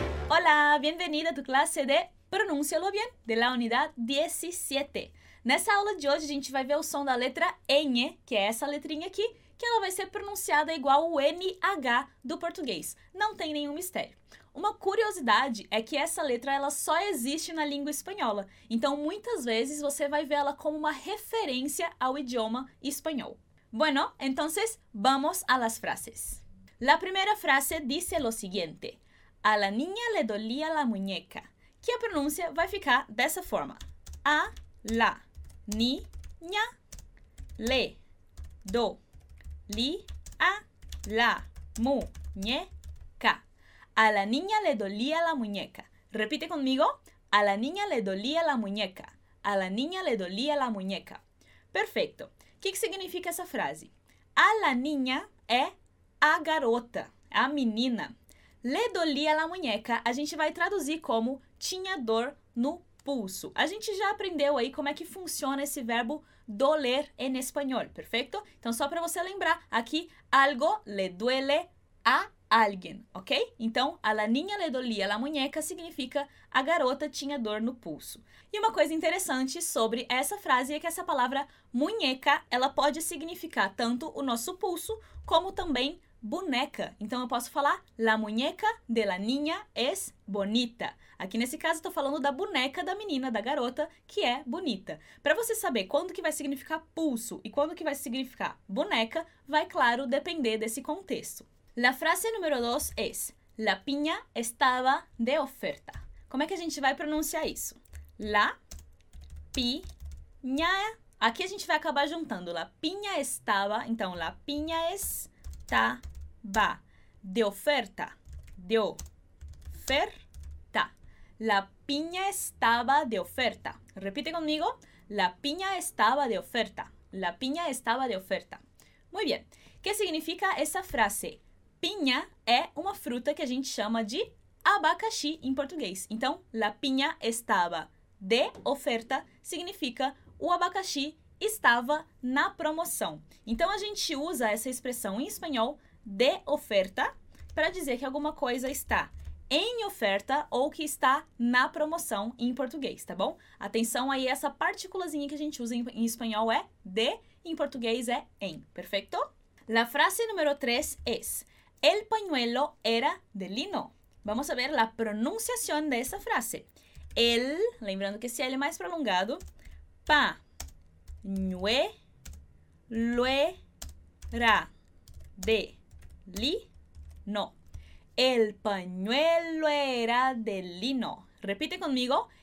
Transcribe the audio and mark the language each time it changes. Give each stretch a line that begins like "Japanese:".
Spanish: Hola, bienvenido a tu clase de Pronúncialo Bien, de la unidad 17.
Portuguese: Nessa aula de hoje, a gente vai ver o som da letra N, que é essa letrinha aqui, que ela vai ser pronunciada igual o NH do português. Não tem nenhum mistério. Uma curiosidade é que essa letra ela só existe na língua espanhola. Então, muitas vezes, você vai ver ela como uma referência ao idioma espanhol.
Spanish: Bueno, entonces, vamos a las frases. La primera frase dice lo siguiente. A la niña le dolía la muñeca.
Portuguese: Que a pronúncia vai ficar dessa forma.
Spanish: A la niña le dolía la muñeca. A la niña le dolía la muñeca. Repite conmigo. A la niña le dolía la muñeca. A la niña le dolía la muñeca.
Portuguese: Perfecto. Que significa essa frase?
Spanish: A la niña
Portuguese: é a garota, a menina.
Spanish: Le dolía la muñeca,
Portuguese: a gente vai traduzir como tinha dor no pulso. A gente já aprendeu aí como é que funciona esse verbo
Spanish: doler en español,
Portuguese: perfecto? Então, só para você lembrar, aqui,
Spanish: algo le duele a alguien,
Portuguese: ok? Então,
Spanish: a la niña le dolía la muñeca
Portuguese: significa a garota tinha dor no pulso. E uma coisa interessante sobre essa frase é que essa palavra muñeca, ela pode significar tanto o nosso pulso, como também boneca. Então, eu posso falar
Spanish: la muñeca de la niña es bonita.
Portuguese: Aqui, nesse caso, estou falando da boneca da menina, da garota, que é bonita. Para você saber quando que vai significar pulso e quando que vai significar boneca, vai, claro, depender desse contexto.
Spanish: La frase número 2 es la piña estaba de oferta.
Portuguese: Como é que a gente vai pronunciar isso?
Spanish: La piña.
Portuguese: Aqui a gente vai acabar juntando.
Spanish: La piña estaba. Então, la piña es...
Portuguese: Estava de oferta.
Spanish: De oferta. La piña estaba de oferta. Repite comigo. La piña estaba de oferta. La piña estaba de oferta. Muy bien. ¿Qué significa esa frase?
Portuguese: Piña é uma fruta que a gente chama de abacaxi em português. Então,
Spanish: la piña estaba de oferta
Portuguese: significa o abacaxi estava na promoção. Então, a gente usa essa expressão em espanhol, de oferta, para dizer que alguma coisa está em oferta ou que está na promoção em português, tá bom? Atenção aí, essa partículazinha que a gente usa em espanhol é de, em português é em, perfeito?
Spanish: La frase número 3 es, el pañuelo era de lino. Vamos a ver la pronunciación de esa frase.
Portuguese: El, lembrando que esse L é mais prolongado, pa, Nue, lue, ra, de, li, no.
Spanish: El pañuelo era de lino. Repite conmigo.